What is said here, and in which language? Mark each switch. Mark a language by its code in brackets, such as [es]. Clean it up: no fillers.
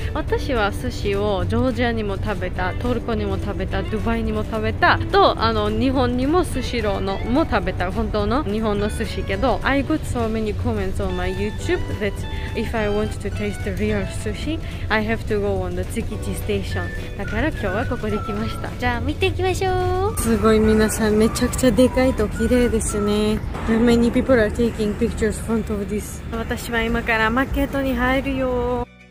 [ja] 私は寿司をジョージアにも食べた、トルコにも食べた、ドバイにも食べた、と日本にも寿司ローのも食べた、本当の日本の寿司けど、 [en] I got so many comments on my YouTube that if I want to taste real sushi I have to go on the Tsukiji station. [ja] だから今日はここで来ました。じゃあ見ていきましょう。すごい、皆さんめちゃくちゃでかいと綺麗ですね。 [en] Many people are taking pictures front of this. [ja] 私は今からマーケットに入るよ。